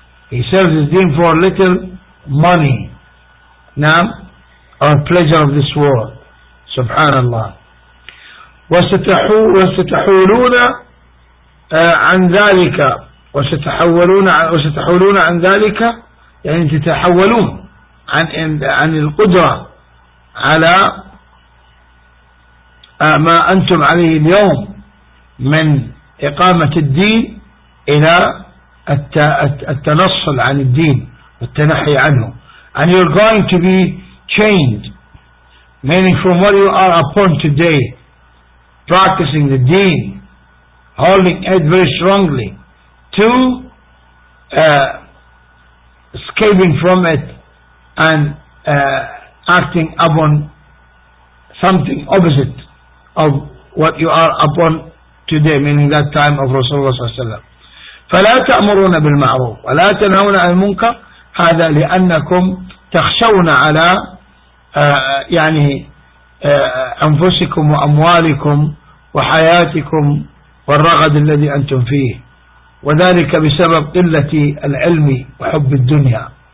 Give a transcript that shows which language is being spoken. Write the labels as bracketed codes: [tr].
[en] He sells his deen for little money, naam, or pleasure of this world. [ar] Subhanallah. وستحولون عن ذلك وستحولون عن ذلك تتحولون عن القدرة على ما أنتم عليه اليوم من إقامة الدين إلى التنصل عن الدين والتنحي عنه. [en] And you're going to be changed, meaning from what you are upon today, practicing the deen, holding it very strongly, to escaping from it and acting upon something opposite of what you are upon today, meaning that time of Rasulullah sallallahu alayhi wa sallam. [ar] فلا تأمرون بالمعروف ولا تنهون عن المنكر هذا لأنكم تخشون على يعني أنفسكم وأموالكم وحياتكم والرغد الذي أنتم فيه وذلك بسبب قلة العلم وحب الدنيا.